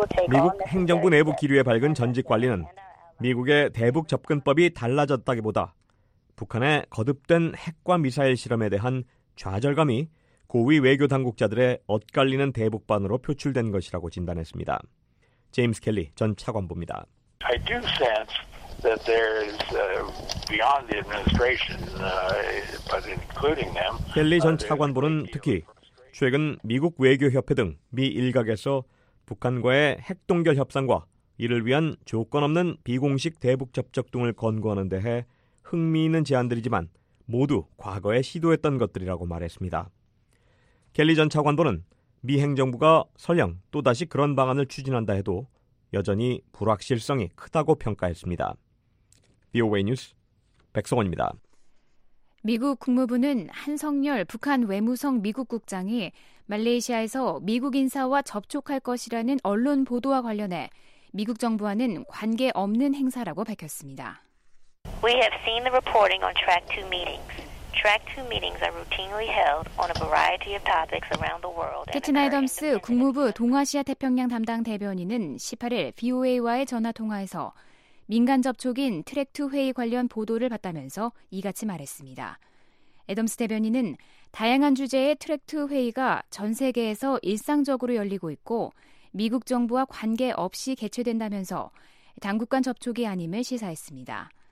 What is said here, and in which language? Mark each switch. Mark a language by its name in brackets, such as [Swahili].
[Korean] 미국 행정부 내부 기류에 밝은 전직 관리는 미국의 대북 접근법이 달라졌다기보다 북한의 거듭된 핵과 미사일 실험에 대한 좌절감이 고위 외교 당국자들의 엇갈리는 대북반으로 표출된 것이라고 진단했습니다. 제임스 켈리 전 차관보입니다. [English] I do sense that there is beyond the administration, but including them. [Korean] 켈리 전 차관보는 특히 최근 미국 외교협회 등 미 일각에서 북한과의 핵동결 협상과 이를 위한 조건 없는 비공식 대북 접촉 등을 권고하는 데 해 흥미있는 제안들이지만 모두 과거에 시도했던 것들이라고 말했습니다. 켈리 전 차관보는 미 행정부가 설령 또다시 그런 방안을 추진한다 해도 여전히 불확실성이 크다고 평가했습니다. VOA 뉴스 백성원입니다. 미국 국무부는 한성열 북한 외무성 미국 국장이 말레이시아에서 미국 인사와 접촉할 것이라는 언론 보도와 관련해 미국 정부와는 관계 없는 행사라고 밝혔습니다. [English] We have seen the reporting on track 2 meetings. Track 2 meetings are routinely held on a variety of topics around the world. [Korean] 캐티나 애덤스 국무부 동아시아 태평양 담당 대변인은 18일 VOA와의 전화 통화에서 민간 접촉인 트랙 2 회의 관련 보도를 받다면서 이같이 말했습니다. 애덤스 대변인은 다양한 주제의 트랙 2 회의가 전 세계에서 일상적으로 열리고 있고 미국 정부와 관계 없이 개최된다면서 당국 간 접촉이 아님을 시사했습니다.